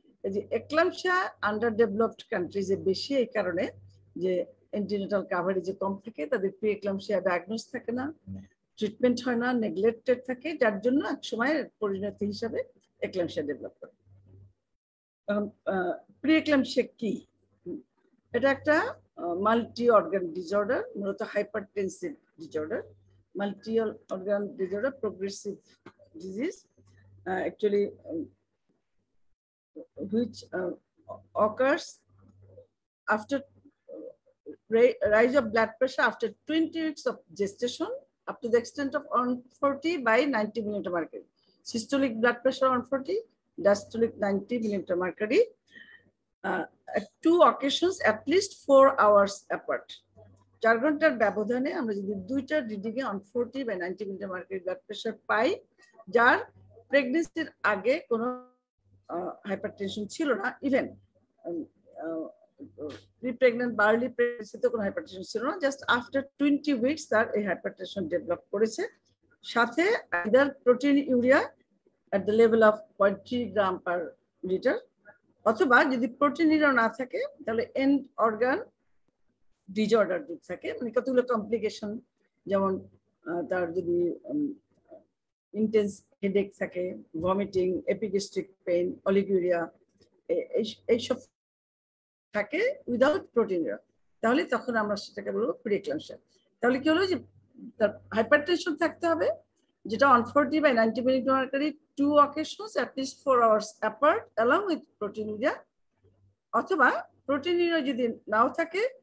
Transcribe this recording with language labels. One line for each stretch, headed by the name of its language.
Bangla: যে একলামশা under developed কান্ট্রিজে বেশি, এই কারণে যে এন্টিনেটাল কভারেজে কম থাকে, তাদের প্রি একলামশিয়া ডায়াগনোস থাকে না, ট্রিটমেন্ট হয় না, নেগলেক্টেড থাকে, যার জন্য এক সময় পরিণতি হিসাবে একলামশিয়া ডেভেলপ করে। প্রি একলামশিয়া কি? এটা একটা মাল্টি অর্গান ডিজঅর্ডার, মূলত hypertensive disorder.
English: Multi organ disorder progressive disease actually which occurs after rise of blood pressure after 20 weeks of gestation up to the extent of 140 by 90 mmHg. Systolic blood pressure 140, diastolic 90 mmHg. At two occasions, at least 4 hours apart.
Bangla: চার ঘন্টার ব্যবধানে আমরা যদি দুইটা রিডিংয়ে 140 by 90 mmHg blood pressure পাই, যার প্রেগনেন্সির আগে কোনো হাইপারটেনশন ছিল না, ইভেন প্রিপ্রেগনেন্ট বা আর্লি প্রেগনেন্সি তো কোনো হাইপারটেনশন ছিল না,
English: just after 20 weeks
Bangla: তার এই হাইপারটেনশন ডেভেলপ করেছে, সাথে either protein urea
English: at the level of 0.3 gram per liter.
Bangla: অথবা যদি প্রোটিনিরও না থাকে তাহলে এন্ড অর্গান ডিজঅর্ডার যদি থাকে মানে কতগুলো কমপ্লিকেশন যেমন তার যদি ইন্টেন্স হেডেক থাকে ভমিটিং এপিগেস্ট্রিক পেইন অলিগুরিয়া এইসব থাকে উইদাউট প্রোটিনিরা তাহলে তখন আমরা সেটাকে বলবো প্রিএক্লামশিয়া তাহলে কি হলো যে তার হাইপারটেনশন থাকতে হবে যেটা আনফর্টি বাই নাইনটি মিনিট ওয়ার করি
English: two occasions at least four hours apart
Bangla: along with প্রোটিনিরিয়া অথবা প্রোটিনিরিয়া যদি নাও থাকে